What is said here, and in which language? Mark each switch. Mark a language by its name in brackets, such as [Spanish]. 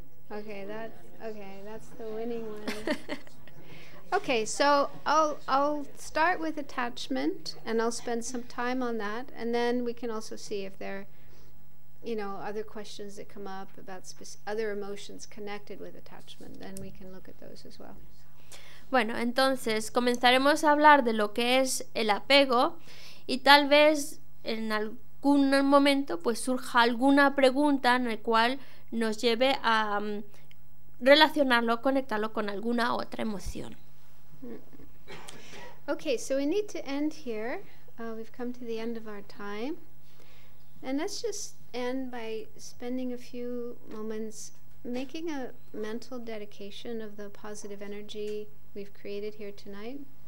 [English] Okay, that's the winning one. Okay, so I'll start with attachment, and I'll spend some time on that, and then we can also see if there, you know, other questions that come up about other emotions connected with attachment. Then we can look at those as well. [Spanish] Bueno, entonces comenzaremos a hablar de lo que es el apego, y tal vez en algún momento pues surja alguna pregunta en el cual nos lleve a relacionarlo, conectarlo con alguna otra emoción. [English] Okay, so we need to end here. We've come to the end of our time. And let's just end by spending a few moments making a mental dedication of the positive energy we've created here tonight.